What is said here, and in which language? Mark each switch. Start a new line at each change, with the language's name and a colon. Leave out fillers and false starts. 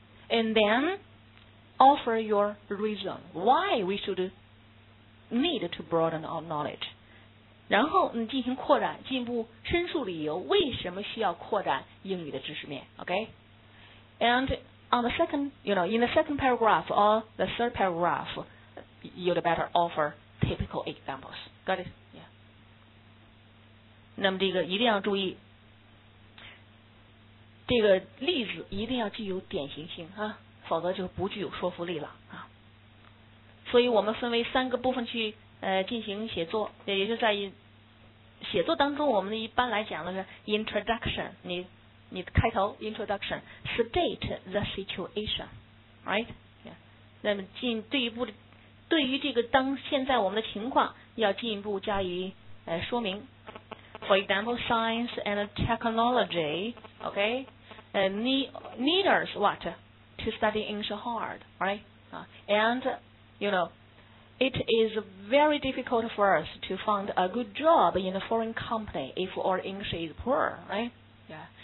English: And then offer your reason why we should need to broaden our knowledge.
Chinese: 然后你进行扩展，进一步申述理由，为什么需要扩展英语的知识面 ？
English: OK？ And on the second, you know, in the second paragraph or the third paragraph, you'd better offer typical examples. Got it? Yeah.
Chinese: 那么这个一定要注意，这个例子一定要具有典型性啊，否则就不具有说服力了啊。所以我们分为三个部分去进行写作，也就是在写作当中，我们一般来讲的是 introduction， 你开头 introduction，
English: state the situation， right？
Chinese: 那么进对一步，对于这个当现在我们的情况要进一步加以说明。
English: For example, science and technology, okay, needers what to study English hard, right? And you know. It is very difficult for us to find a good job in a foreign company if our English is poor, right? Yeah.